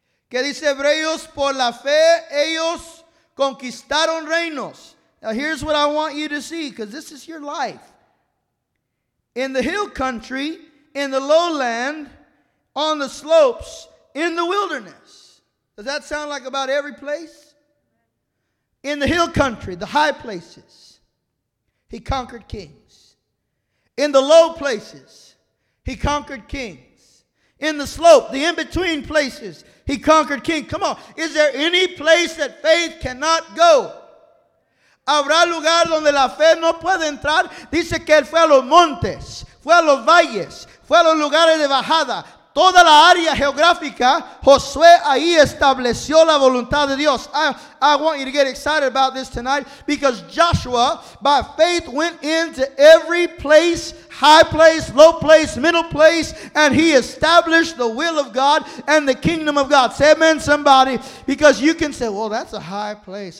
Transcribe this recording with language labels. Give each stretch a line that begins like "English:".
Spanish: Que dice Hebreos, por la fe, ellos conquistaron reinos.
English: Now, here's what I want you to see, because this is your life. In the hill country, in the lowland, on the slopes, in the wilderness. Does that sound like about every place? In the hill country, the high places, he conquered kings. In the low places, he conquered kings. In the slope, the in-between places, he conquered kings. Come on, is there any place that faith cannot go?
Spanish: ¿Habrá lugar donde la fe no puede entrar? Dice que él fue a los montes, fue a los valles, fue a los lugares de bajada. Toda la área geográfica, Josué ahí estableció la voluntad de Dios.
English: I want you to get excited about this tonight, because Joshua, by faith, went into every place, high place, low place, middle place, and he established the will of God and the kingdom of God. Say amen, somebody, because you can say, well, that's a high place.